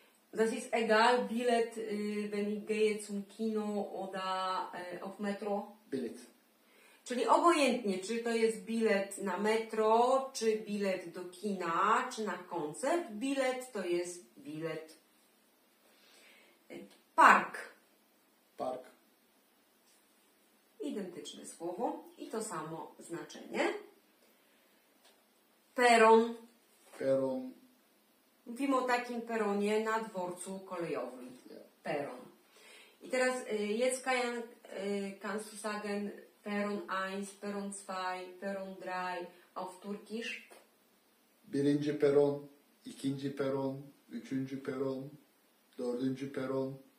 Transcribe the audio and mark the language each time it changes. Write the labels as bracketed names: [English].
[German] Das ist egal, bilet, wenn ich gehe zum Kino oder auf Metro. [Polish] Bilet. Czyli obojętnie, czy to jest bilet na metro, czy bilet do kina, czy na koncert, bilet to jest bilet. Park. Park. Identyczne słowo i to samo znaczenie. Peron. Peron. Mówimy o takim peronie na dworcu kolejowym. [English] Yeah. [Polish] Peron. I teraz [German] jetzt kannst du sagen Peron 1, Peron 2, Peron 3 auf Türkisch? [Turkish] Birinci peron, ikinci peron, üçüncü peron, dördüncü peron.